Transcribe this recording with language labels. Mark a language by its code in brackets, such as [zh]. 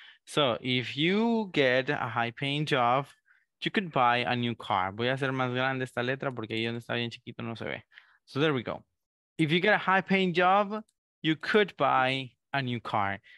[en] So if you get a high paying job, you could buy a new car. [es] Voy a hacer más grande esta letra porque ahí donde está bien chiquito no se ve. [en] So there we go. If you get a high paying job, you could buy a new car.